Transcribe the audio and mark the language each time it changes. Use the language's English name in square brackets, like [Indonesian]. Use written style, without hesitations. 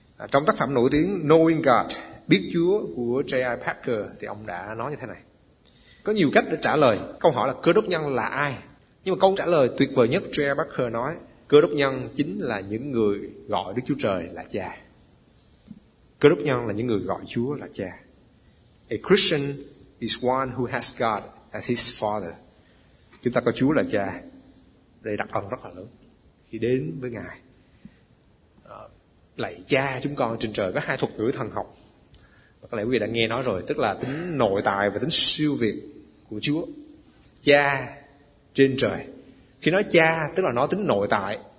[Vietnamese] Trong tác phẩm nổi tiếng Knowing God, Biết Chúa của J.I. Packer, thì ông đã nói như thế này. Có nhiều cách để trả lời câu hỏi là cơ đốc nhân là ai. Nhưng mà câu trả lời tuyệt vời nhất, J.I. Packer nói, cơ đốc nhân chính là những người gọi Đức Chúa Trời là cha. Cơ đốc nhân là những người gọi Chúa là cha. [English] A Christian is one who has God as his father. [Vietnamese] Chúng ta có Chúa là cha. Đây đặc ân rất là lớn. Khi đến với Ngài, lạy cha chúng con trên trời, có hai thuật ngữ thần học. Có lẽ quý vị đã nghe nói rồi, tức là tính nội tại và tính siêu việt của Chúa. Cha trên trời. Khi nói cha, tức là nói tính nội tại.